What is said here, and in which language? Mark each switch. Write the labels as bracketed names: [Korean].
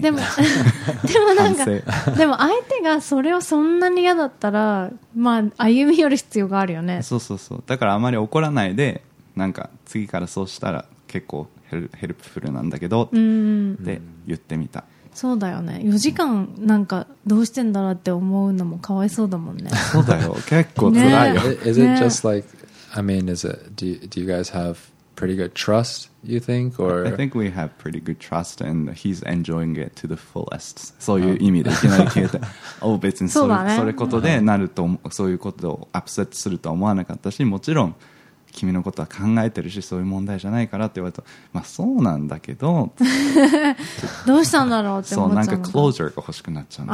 [Japanese] でもなんかでも相手がそれをそんなに嫌だったら、まあ歩み寄る必要があるよね。そうそうそう、だからあまり怒らないで、なんか次からそうしたら結構ヘルプフルなんだけどって言ってみた。そうだよね、4時間なんかどうしてんだろうって思うのもかわいそうだもんね。そうだよ、結構辛いよ、 [English] ね、Is it just like, I mean, is it, do you guys have pretty good trust, you think? Or? I think we have pretty good trust and he's enjoying it to the fullest. [Japanese] そういう意味でいきなり聞いて、oh, 別にそれ、ね、それことでなると、そういうことをアップセットするとは思わなかったし、もちろん君のことは考えてるし、そういう問題じゃないからって言われたら、まあそうなんだけどどうしたんだろうって思っちゃうのか。そう、なんかクロージャーが欲しくなっちゃうの。